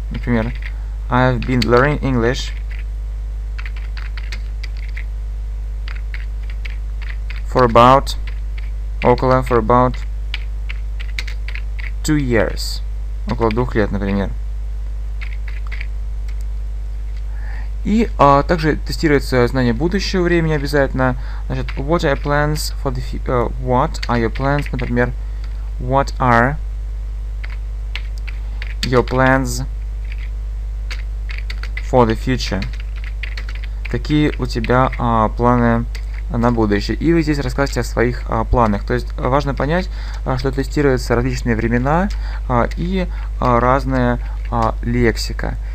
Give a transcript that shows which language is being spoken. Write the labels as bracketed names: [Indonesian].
[Russian] Например, [English] I've been learning English for about 2 years. [Russian] Около 2 лет, например. И также тестируется знание будущего времени обязательно. Значит, [English] what are your plans for the what are your plans, [Russian] например, [English] what are your plans for the future? [Russian] Какие у тебя планы на будущее? И вы здесь расскажете о своих планах. То есть важно понять, что тестируются различные времена и разная лексика.